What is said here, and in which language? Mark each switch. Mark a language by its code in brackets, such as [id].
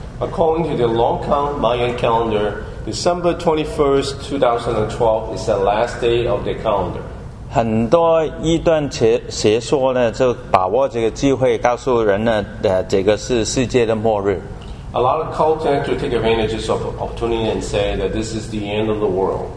[en] According to the long count Mayan calendar, December 21st, 2012 is the last day of the calendar. [zh] 很多异端邪说呢，就把握这个机会告诉人呢，这个是世界的末日。 [en] A lot of cults actually take advantage of opportunity and say that this is the end of the world.